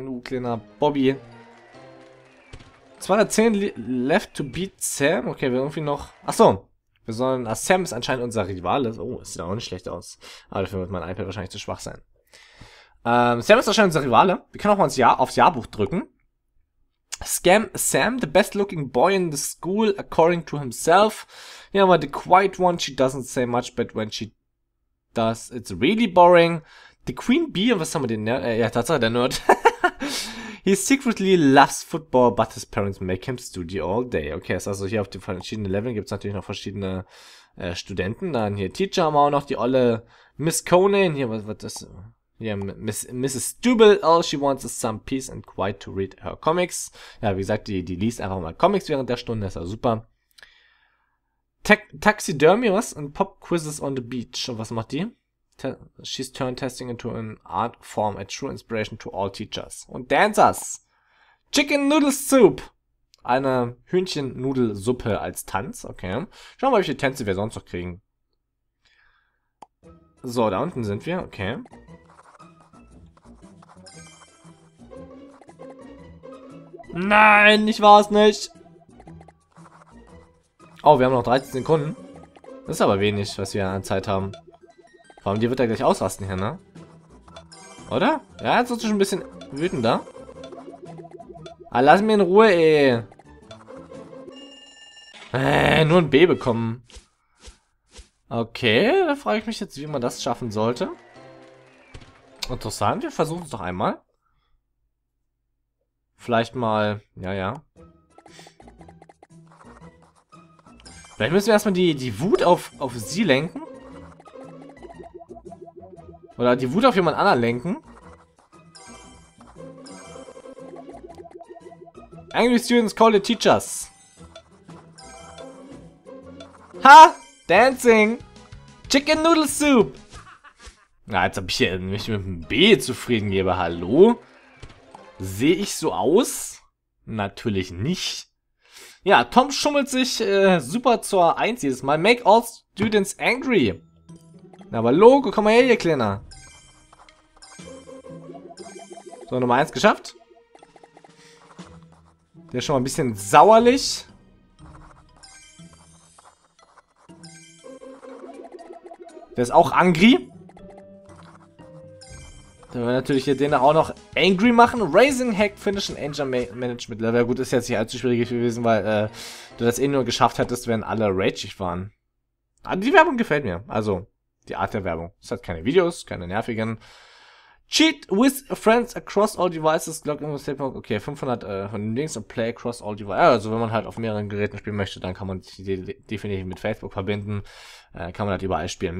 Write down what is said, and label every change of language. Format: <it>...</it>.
<de>Du kleiner Bobby. 210</de> <en>left to beat Sam.</en> <de>Okay, wir irgendwie noch... Achso, wir sollen... Ach, Sam ist anscheinend unser Rivale. Oh, sieht auch nicht schlecht aus. Aber dafür wird mein iPad wahrscheinlich zu schwach sein. Sam ist anscheinend unser Rivale. Wir können auch mal aufs Jahrbuch drücken.</de> <en>Scam Sam, the best looking boy in the school, according to himself.</en> <de>Ja, aber</de> <en>the quiet one, she doesn't say much, but when she does, it's really boring.</en> <de>The Queen Bee, was haben wir den Nerd? Ja, tatsächlich der Nerd.</de> <en>He secretly loves football, but his parents make him study all day.</en> <de>Okay, also hier auf den verschiedenen Leveln gibt es natürlich noch verschiedene Studenten. Dann hier Teacher haben wir auch noch, die olle Miss Conan. Hier, was das... Ja, Mrs.</de> <en>Stubel, all she wants is some peace and quiet to read her comics.</en> <de>Ja, wie gesagt, die liest einfach mal Comics während der Stunde, ist ja super. Taxidermy, was? Und Pop Quizzes on the Beach. Und was macht die?</de> <en>She's turned testing into an art form, a true inspiration to all teachers. Und Dancers! Chicken Noodle Soup!</en> <de>Eine Hühnchennudelsuppe als Tanz, okay. Schauen wir mal, welche Tänze wir sonst noch kriegen. So, da unten sind wir, okay. Nein, ich war es nicht. Oh, wir haben noch 13 Sekunden. Das ist aber wenig, was wir an Zeit haben. Vor allem, die wird er gleich ausrasten hier, ne? Oder? Ja, jetzt wird es schon ein bisschen wütender. Ah, lass mich in Ruhe, ey. Nur ein B bekommen. Okay, da frage ich mich jetzt, wie man das schaffen sollte. Interessant, wir versuchen es doch einmal. Vielleicht mal, ja. Vielleicht müssen wir erstmal die Wut auf sie lenken. Oder die Wut auf jemand anderen lenken.</de> <en>Angry students call the teachers. Ha! Dancing!</en> <de>Chicken Noodle Soup! Na, jetzt hab ich mich mit dem B zufrieden gebe. Hallo? Sehe ich so aus? Natürlich nicht. Ja, Tom schummelt sich super zur Eins jedes Mal.</de> <en>Make all students angry.</en> <de>Na, aber Logo, komm mal her, ihr Kleiner. So, Nummer 1 geschafft. Der ist schon mal ein bisschen sauerlich. Der ist auch angry. Dann werden wir natürlich hier den auch noch angry machen.</de> <en>Raising Hack, Finishing Angel Management Level.</en> <de>Gut, ist jetzt nicht allzu schwierig gewesen, weil du das eh nur geschafft hättest, wenn alle rageig waren. Aber die Werbung gefällt mir. Also, die Art der Werbung. Es hat keine Videos, keine nervigen.</de> <en>Cheat with friends across all devices. Glock in the state mode. Okay, 500</en> <de>von links und</de> <en>play across all devices.</en> <de>Also, wenn man halt auf mehreren Geräten spielen möchte, dann kann man sich definitiv mit Facebook verbinden. Kann man halt überall spielen.</de>